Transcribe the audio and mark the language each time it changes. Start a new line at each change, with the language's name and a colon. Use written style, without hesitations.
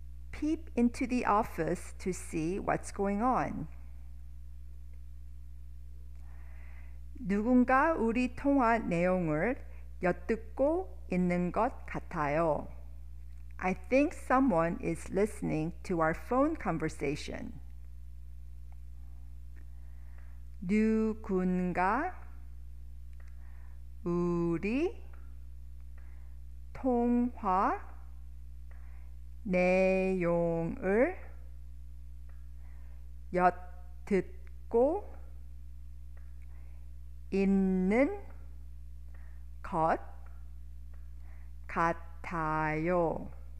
English: Peep into the office to see what's going on.
Korean: 누군가 우리 통화 내용을 엿듣고 있는 것 같아요.
English: I think someone is listening to our phone conversation.
Korean: 누군가 우리 통화 내용을 엿듣고 있는 것 같아요.